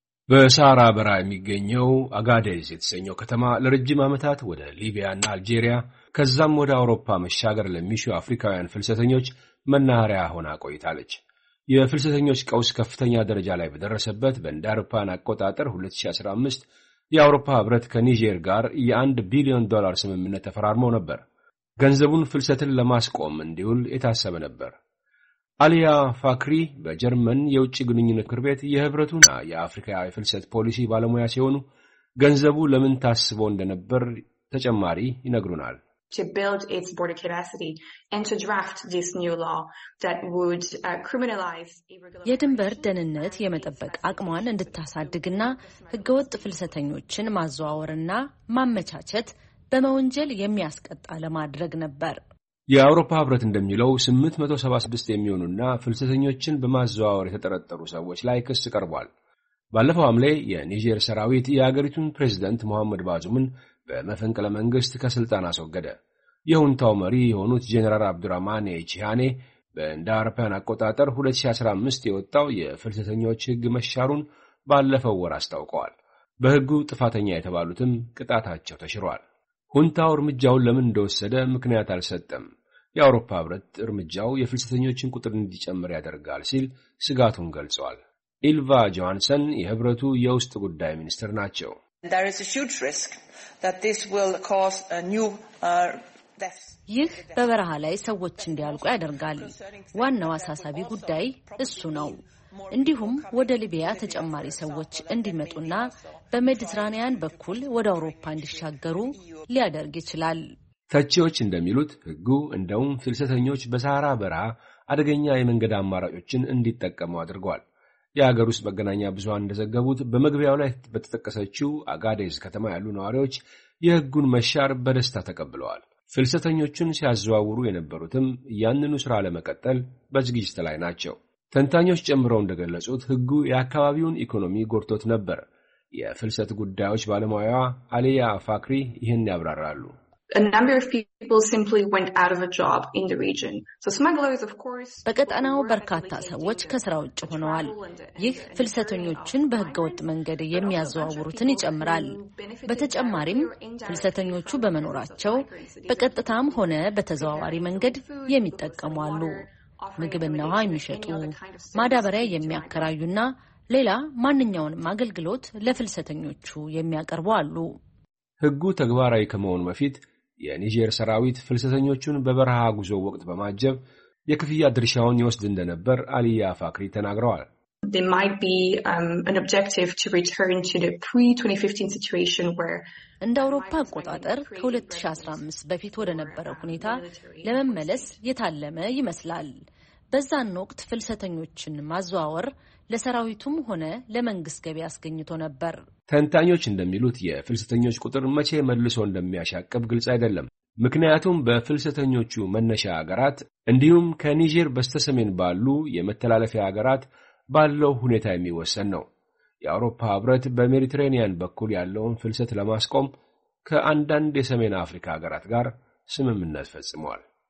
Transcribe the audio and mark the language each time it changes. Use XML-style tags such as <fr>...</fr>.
<am>በሳራ በራ የሚገኘው አጋዴዝ የተሰኘው ከተማ ለረጅም ዓመታት ወደ ሊቢያና አልጄሪያ ከዛም ወደ አውሮፓ መሻገር ለሚሹ አፍሪካውያን ፍልሰተኞች መናኸሪያ ሆና ቆይታለች። የፍልሰተኞች ቀውስ ከፍተኛ ደረጃ ላይ በደረሰበት በእንደ አውሮፓውያን አቆጣጠር 2015 የአውሮፓ ህብረት ከኒጀር ጋር የ1 ቢሊዮን ዶላር ስምምነት ተፈራርመው ነበር። ገንዘቡን ፍልሰትን ለማስቆም እንዲውል የታሰበ ነበር። አሊያ ፋክሪ በጀርመን የውጭ ግንኙነት ምክር ቤት የህብረቱና የአፍሪካ የፍልሰት ፖሊሲ ባለሙያ ሲሆኑ ገንዘቡ ለምን ታስቦ እንደነበር ተጨማሪ ይነግሩናል።</am> <en>To build its border capacity and to draft this new law that would criminalize irregular</en> <am>የድንበር ደህንነት የመጠበቅ አቅሟን እንድታሳድግና ህገወጥ ፍልሰተኞችን ማዘዋወርና ማመቻቸት በመወንጀል የሚያስቀጣ ለማድረግ ነበር። የአውሮፓ ህብረት እንደሚለው 876 የሚሆኑና ፍልሰተኞችን በማዘዋወር የተጠረጠሩ ሰዎች ላይ ክስ ቀርቧል። ባለፈው ዓመት የኒጀር ሰራዊት የአገሪቱን ፕሬዝዳንት መሐመድ ባዙምን በመፈንቅለ መንግስት ከስልጣን አስወገደ። የሁንታው መሪ የሆኑት ጄኔራል አብዱራማኔ ቺሃኔ በእንደ አውሮፓውያን አቆጣጠር 2015 የወጣው የፍልሰተኞች ህግ መሻሩን ባለፈው ወር አስታውቀዋል። በህጉ ጥፋተኛ የተባሉትም ቅጣታቸው ተሽሯል። ሁንታው እርምጃውን ለምን እንደወሰደ ምክንያት አልሰጠም። የአውሮፓ ህብረት እርምጃው የፍልሰተኞችን ቁጥር እንዲጨምር ያደርጋል ሲል ስጋቱን ገልጿል። ኢልቫ ጆሃንሰን የህብረቱ የውስጥ ጉዳይ ሚኒስትር ናቸው።</am> <en>There is a huge risk that this will cause a new deaths.</en> <am>ይህ በበረሃ ላይ ሰዎች እንዲያልቁ ያደርጋል። ዋናው አሳሳቢ ጉዳይ እሱ ነው። እንዲሁም ወደ ሊቢያ ተጨማሪ ሰዎች እንዲመጡና በሜዲትራኒያን በኩል ወደ አውሮፓ እንዲሻገሩ ሊያደርግ ይችላል። ተቺዎች እንደሚሉት ህጉ እንደውም ፍልሰተኞች በሳህራ በረሃ አደገኛ የመንገድ አማራጮችን እንዲጠቀሙ አድርጓል። የሀገር ውስጥ መገናኛ ብዙሃን እንደዘገቡት በመግቢያው ላይ በተጠቀሰችው አጋዴዝ ከተማ ያሉ ነዋሪዎች የህጉን መሻር በደስታ ተቀብለዋል። ፍልሰተኞቹን ሲያዘዋውሩ የነበሩትም ያንኑ ስራ ለመቀጠል በዝግጅት ላይ ናቸው። ተንታኞች ጨምረው እንደገለጹት ህጉ የአካባቢውን ኢኮኖሚ ጎድቶት ነበር። የፍልሰት ጉዳዮች ባለሙያዋ አሊያ ፋክሪ ይህን ያብራራሉ።</am> <en>A number of people simply went out of a job in the region. So smugglers, of course,</en> <am>በቀጠናው በርካታ ሰዎች ከስራ ውጪ ሆነዋል። ይህ ፍልሰተኞችን በህገወጥ መንገድ የሚያዘዋውሩትን ይጨምራል። በተጨማሪም ፍልሰተኞቹ በመኖራቸው በቀጥታም ሆነ በተዘዋዋሪ መንገድ የሚጠቀሙ አሉ። ምግብና ውሃ የሚሸጡ፣ ማዳበሪያ የሚያከራዩና ሌላ ማንኛውንም አገልግሎት ለፍልሰተኞቹ የሚያቀርቡ አሉ። ህጉ ተግባራዊ ከመሆኑ በፊት የኒጀር ሰራዊት ፍልሰተኞቹን በበረሃ ጉዞ ወቅት በማጀብ የክፍያ ድርሻውን ይወስድ እንደነበር አሊያ ፋክሪ ተናግረዋል።</am> <en>There might be an objective to return to the pre-2015 situation where</en> <am>እንደ አውሮፓ አቆጣጠር ከ2015 በፊት ወደ ነበረው ሁኔታ ለመመለስ የታለመ ይመስላል። በዛን ወቅት ፍልሰተኞችን ማዘዋወር ለሰራዊቱም ሆነ ለመንግስት ገቢ አስገኝቶ ነበር። ተንታኞች እንደሚሉት የፍልሰተኞች ቁጥር መቼ መልሶ እንደሚያሻቅብ ግልጽ አይደለም። ምክንያቱም በፍልሰተኞቹ መነሻ ሀገራት እንዲሁም ከኒጀር በስተሰሜን ባሉ የመተላለፊያ ሀገራት ባለው ሁኔታ የሚወሰን ነው። የአውሮፓ ህብረት በሜዲትራኒያን በኩል ያለውን ፍልሰት ለማስቆም ከአንዳንድ የሰሜን አፍሪካ ሀገራት ጋር ስምምነት ፈጽሟል።</am>